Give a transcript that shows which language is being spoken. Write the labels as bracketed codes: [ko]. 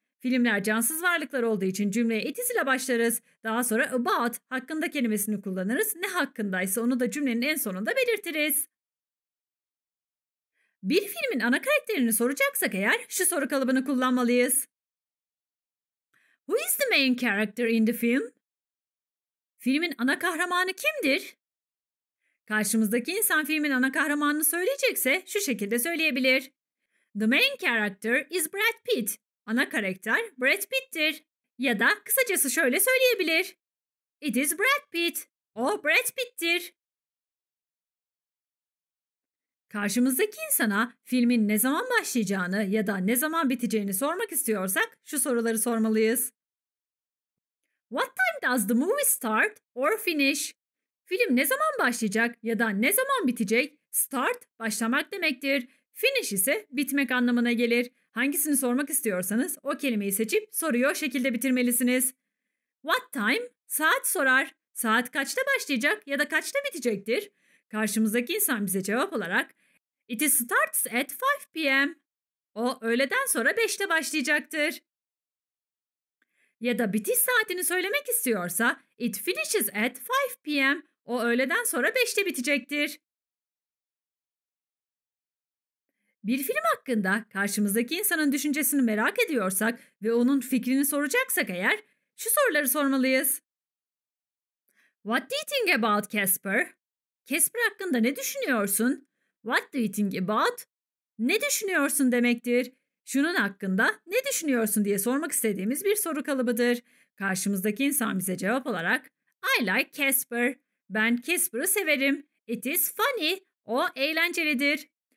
[tr] Filmler cansız varlıklar olduğu için cümleye it ile başlarız. Daha sonra about hakkında kelimesini kullanırız. Ne hakkındaysa onu da cümlenin en sonunda belirtiriz. Bir filmin ana karakterini soracaksak eğer şu soru kalıbını kullanmalıyız. [en] Who is the main character in the film? [tr] Filmin ana kahramanı kimdir? Karşımızdaki insan filmin ana kahramanını söyleyecekse şu şekilde söyleyebilir. [en] The main character is Brad Pitt. [tr] Ana karakter Brad Pitt'tir. Ya da kısacası şöyle söyleyebilir. [en] It is Brad Pitt. [tr] O Brad Pitt'tir. Karşımızdaki insana filmin ne zaman başlayacağını ya da ne zaman biteceğini sormak istiyorsak şu soruları sormalıyız. [en] What time does the movie start or finish? [tr] Film ne zaman başlayacak ya da ne zaman bitecek? Start başlamak demektir. Finish ise bitmek anlamına gelir. Hangisini sormak istiyorsanız o kelimeyi seçip soruyu o şekilde bitirmelisiniz. [en] What time? [tr] Saat sorar. Saat kaçta başlayacak ya da kaçta bitecektir? Karşımızdaki insan bize cevap olarak [en] It starts at 5 p.m. [tr] O öğleden sonra 5'te başlayacaktır. Ya da bitiş saatini söylemek istiyorsa [en] It finishes at 5 p.m. [tr] O öğleden sonra 5'te bitecektir. Bir film hakkında karşımızdaki insanın düşüncesini merak ediyorsak ve onun fikrini soracaksak eğer şu soruları sormalıyız. [en] What do you think about Casper? [tr] Casper hakkında ne düşünüyorsun? [en] What do you think about? [tr] Ne düşünüyorsun demektir. Şunun hakkında ne düşünüyorsun diye sormak istediğimiz bir soru kalıbıdır. Karşımızdaki insan bize cevap olarak [en] I like Casper. [tr] Ben Casper'ı severim. [en] It is funny. [tr] O eğlencelidir.